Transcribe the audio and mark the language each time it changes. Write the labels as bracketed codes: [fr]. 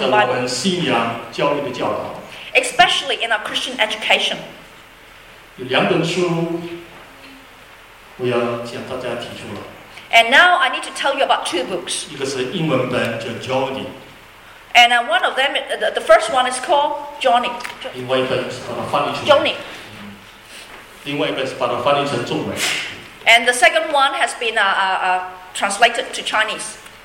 [zh] 特别在我们信仰教育的教导。 [en] Especially in our Christian education. [zh] 有两本书我要向大家提出了。 [en] And now I need to tell you about two books. [zh] 一个是英文本叫 Johnny。 [en] And one of them, the first one is called Johnny. [zh] 另外一本是把它翻译成 [en] Johnny. [zh] 另外一本是把它翻译成中文。 [en] And the second one has been translated to Chinese.